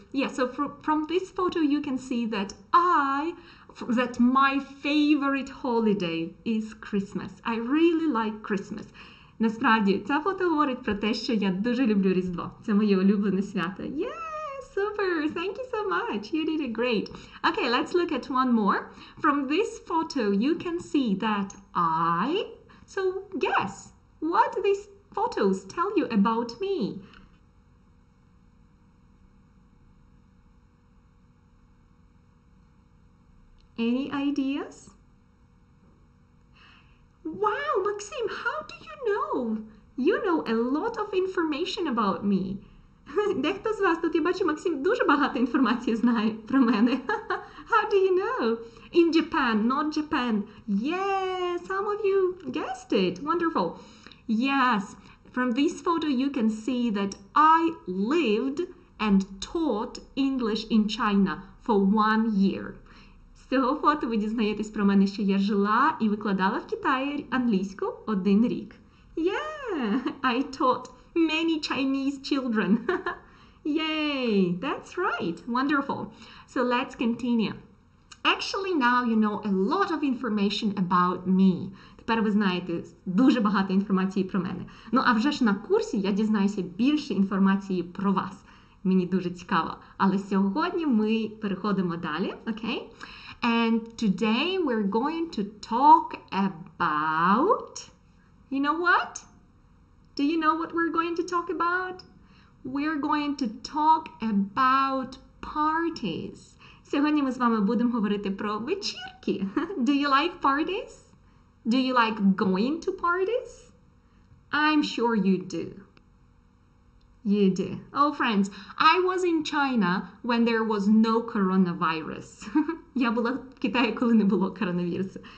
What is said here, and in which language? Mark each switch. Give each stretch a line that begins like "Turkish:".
English: Yeah, so from this photo you can see that that my favorite holiday is Christmas. I really like Christmas.
Ukrainian: Насправді, ця фото говорить про те, що я дуже люблю Різдво. Це моє улюблене свято.
English: Yeah, super! Thank you so much! You did it great! Okay, let's look at one more. From this photo, you can see that I... So, guess! What do these photos tell you about me? Any ideas? Wow, Maxim, how do you know? You know a lot of information about me.
Ukrainian: Дехто з вас тут, я бачу, Максим дуже багато інформації знає про мене.
English: How do you know? In Japan, not Japan. Yeah, some of you guessed it. Wonderful. Yes, from this photo you can see that I lived and taught English in China for 1 year.
Ukrainian: З цього фото ви дізнаєтесь про мене, що я жила і викладала в Китаї англійську 1 рік.
English: Yeah, I taught many Chinese children. Yay, that's right, wonderful. So let's continue. Actually, now you know a lot of information about me.
Ukrainian: Тепер ви знаєте дуже багато інформації про мене. Ну, а вже ж на курсі я дізнаюся більше інформації про вас. Мені дуже цікаво. Але сьогодні ми переходимо далі, окей?
English: And today we're going to talk about, you know what? Do you know what we're going to talk about? We're going to talk about parties.
Ukrainian: Сьогодні ми з вами будемо говорити про вечірки.
English: Do you like parties? Do you like going to parties? I'm sure you do. You do. Oh, friends, I was in China when there was no coronavirus.
Ukrainian: Я була в Китаї, коли не було коронавірусу.